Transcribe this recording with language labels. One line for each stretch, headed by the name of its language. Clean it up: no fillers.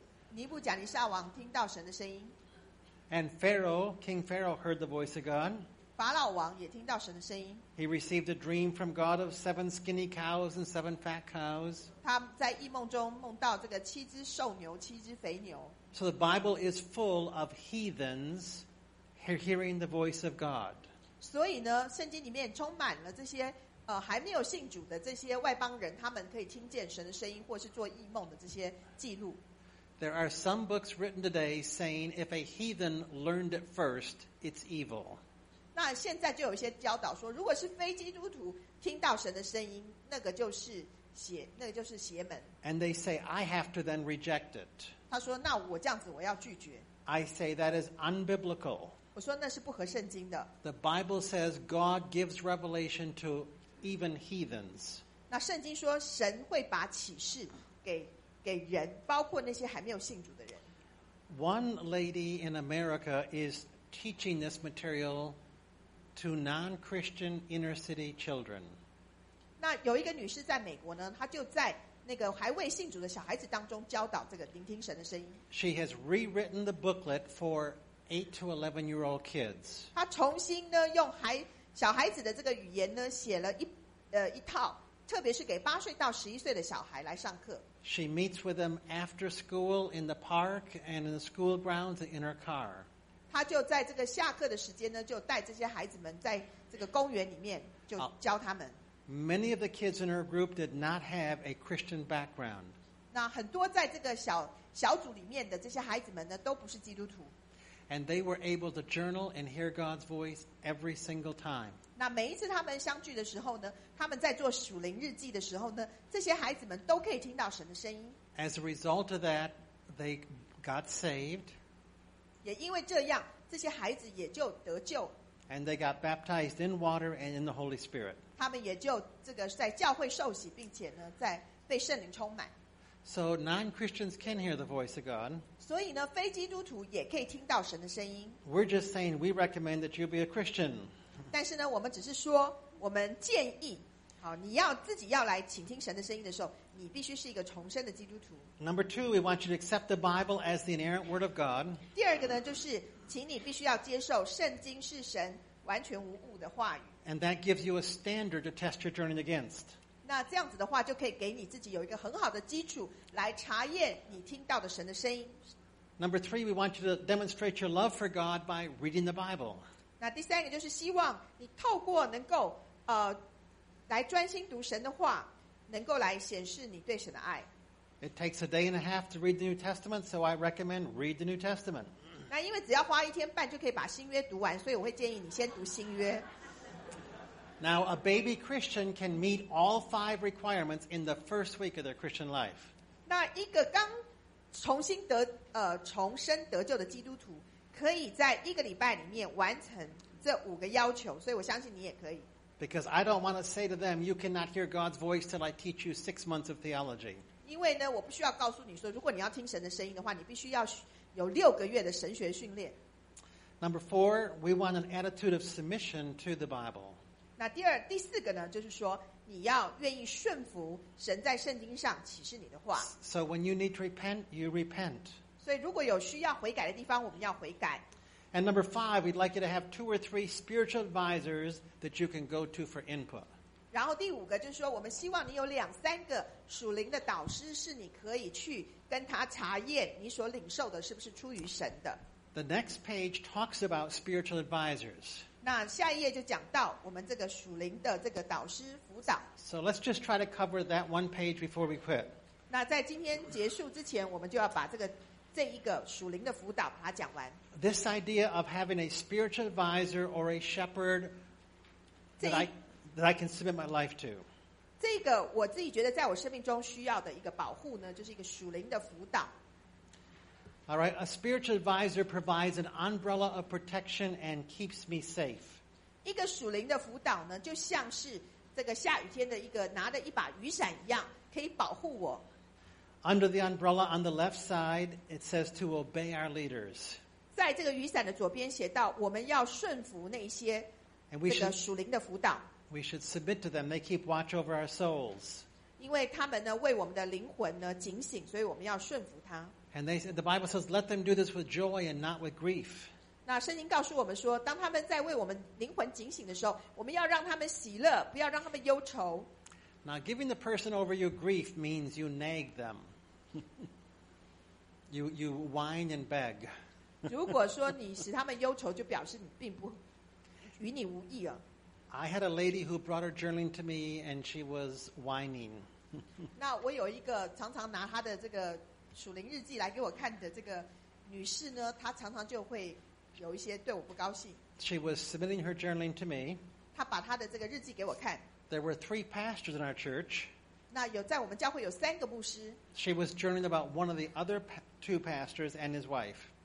Chinese: 尼布甲尼撒王听到神的声音。
English: And Pharaoh, King Pharaoh, heard the voice of God.
Chinese: 法老王也听到神的声音。
English: He received a dream from God of 7 skinny cows and 7 fat cows.
Chinese: 他在异梦中梦到这个七只瘦牛，七只肥牛。
English: So the Bible is full of heathens hearing the voice of God.
Chinese: 所以呢，圣经里面充满了这些。还没有信主的这些外邦人，他们可以听见神的声音，或是做异梦的这些记录。
English: There are some books written today saying if a heathen learned it first, it's evil.
Chinese: 那现在就有一些教导说，如果是非基督徒听到神的声音，那个就是邪，那个就是邪门。
English: And they say I have to then reject it.
Chinese: 他说，那我这样子我要拒绝。
English: I say that is unbiblical.
Chinese: 我说那是不合圣经的。
English: The Bible says God gives revelation to Even heathens.
Chinese: 那圣经说神会把启示给人，包括那些还没有信主的人。
English: One lady in America is teaching this material to non-Christian inner-city children.
Chinese: 那有一个女士在美国呢，她就在那个还未信主的小孩子当中教导这个聆听神的声音。
English: She has rewritten the booklet for 8 to 11-year-old kids.
Chinese: 她重新呢用还小孩子的这个语言呢，写了一套，特别是给8岁到11岁的小孩来上课。
English: She meets with them after school in the park and in the school grounds in her car.
Chinese: 她就在这个下课的时间呢，就带这些孩子们在这个公园里面就教他们。
English: Many of the kids in her group did not have a Christian background.
Chinese: 那很多在这个小组里面的这些孩子们呢，都不是基督徒。
English: And they were able to journal and hear God's voice every single time.
Chinese: 那每一次他们相聚的时候呢，他们在做属灵日记的时候呢，这些孩子们都可以听到神的声音。
English: As a result of that, they got saved.
Chinese: 也因为这样，这些孩子也就得救。
English: And they got baptized in water and in the Holy Spirit.
Chinese: 他们也就这个在教会受洗，并且呢，在被圣灵充满。
English: So non-Christians can hear the voice of God.
Chinese: 所以呢，非基督徒也可以听到神的声音。
English: We're just saying we recommend that you be a Christian.
Chinese: 但是呢，我们只是说，我们建议，好，你要自己要来倾听神的声音的时候，你必须是一个重生的基督徒。
English: Number two, we want you to accept the Bible as the inerrant word of God.
Chinese: 第二个呢，就是请你必须要接受圣经是神完全无误的话语。
English: And that gives you a standard to test your journey against.
Chinese: 那这样子的话，就可以给你自己有一个很好的基础来查验你听到的神的声音。
English: Number three, we want you to demonstrate your love for God by reading the Bible.
Chinese: 那第三个就是希望你透过能够来专心读神的话，能够来显示你对神的爱。
English: It takes a day and a half to read the New Testament, so I recommend read the New Testament.
Chinese: 那因为只要花一天半就可以把新约读完，所以我会建议你先读新约。
English: Now, a baby Christian can meet all five requirements in the first week of their Christian life.
Chinese: 那一个刚重新得重生得救的基督徒，可以在一个礼拜里面完成这五个要求，所以我相信你也可以。
English: Because I don't want to say to them, you cannot hear God's voice till I teach you 6 months of theology.
Chinese: 因为呢，我不需要告诉你说，如果你要听神的声音的话，你必须要有六个月的神学训练。
English: Number four, we want an attitude of submission to the Bible.
Chinese: 那第四个呢，就是说你要愿意顺服神在圣经上启示你的话。
English: So when you need to repent, you repent.
Chinese: 所以如果有需要悔改的地方，我们要悔改。
English: And number five, we'd like you to have two or three spiritual advisors that you can go to for input.
Chinese: 然后第五个就是说，我们希望你有两三个属灵的导师，是你可以去跟他查验你所领受的是不是出于神的。
English: The next page talks about spiritual advisors.
Chinese: 那下一页就讲到我们这个属灵的这个导师辅导。
English: So let's just try to cover that one page before we quit.
Chinese: 那在今天结束之前，我们就要把这个这一个属灵的辅导把它讲完。
English: This idea of having a spiritual advisor or a shepherd that I can submit my life to.
Chinese: 这个我自己觉得在我生命中需要的一个保护呢，就是一个属灵的辅导。
English: All right, a spiritual advisor provides an umbrella of protection and keeps me safe.
Chinese: 一个属灵的辅导呢，就像是这个下雨天的一个拿着一把雨伞一样，可以保护我。
English: Under the umbrella on the left side, it says to obey our leaders.
Chinese: 在这个雨伞的左边写到，我们要顺服那些这个属灵的辅导。
English: We should submit to them. They keep watch over our souls.
Chinese: 因为他们呢为我们的灵魂呢警醒，所以我们要顺服他。
English: And the Bible says, let them do this with joy and not with grief.
Chinese: 那圣经告诉我们说，当他们在为我们灵魂警醒的时候，我们要让他们喜乐，不要让他们忧愁。
English: Now, giving the person over you grief means you nag them. you whine and beg.
Chinese: 如果说你使他们忧愁，就表示你并不与你无异啊。
English: I had a lady who brought her journaling to me, and she was whining.
Chinese: 那我有一个常常拿她的这个属灵日记来给我看的这个女士呢，她常常就会有一些对我不高兴。
English: She was submitting her journaling to me.
Chinese: 她把她的这个日记给我看。
English: There were three pastors in our church.
Chinese: 那有在我们教会有三个牧师。
English: She was journaling about one of the other two pastors and his wife.